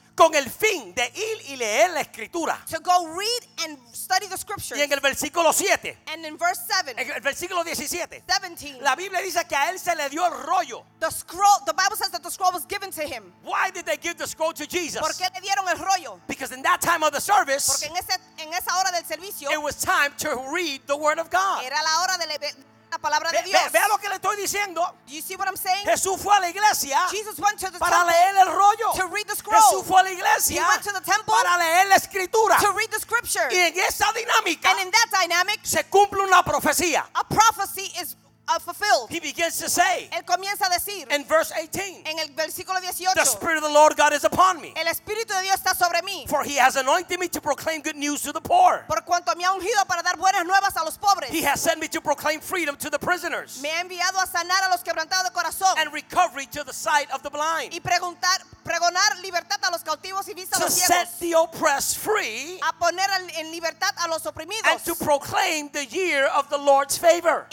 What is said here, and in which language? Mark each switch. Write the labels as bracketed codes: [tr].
[es] Con el fin de ir y leer la escritura. [en] To go read and study the scriptures. [es] Y en el versículo 7. [en] And in verse 7. [es] En el versículo 17. 17. La Biblia dice que a él se le dio el rollo. [en] The scroll, the Bible says that the scroll was given to him. Why did they give the scroll to Jesus? [es] ¿Por qué le dieron el rollo? [en] Because in that time of the service, [es] porque en esa hora del servicio, [en] it was time to read the word of God. [es] Era la hora de leer la palabra de Dios. Vea lo que le estoy diciendo. [en] Do you see what I'm saying? [es] Jesús fue a la iglesia. [en] Jesus went to the [es] para [en] temple [es] leer el rollo. [en] To read the scroll. [es] Jesús fue a la iglesia. [en] He went to the temple [es] para leer la escritura. [en] To read the scripture. [es] Y en esa dinámica, [en] and in that dynamic, [es] se cumple una profecía. [en] A prophecy is fulfilled. He begins to say, [es] él comienza a decir, [en] in verse 18, [es] en el versículo 18, [en] the Spirit of the Lord God is upon me. [es] El Espíritu de Dios está sobre mí. [en] For he has anointed me to proclaim good news to the poor. [es] Por cuanto me ha ungido para dar buenas nuevas a los pobres. [en] He has sent me to proclaim freedom to the prisoners. [es] Me ha enviado a sanar a los quebrantados de corazón. [en] And recovery to the sight of the blind. [es] Y preguntar, pregonar libertad a los cautivos y vista a los ciegos. [en] To set the oppressed free. [es] A poner en libertad a los oprimidos. [en] And to proclaim the year of the Lord's favor.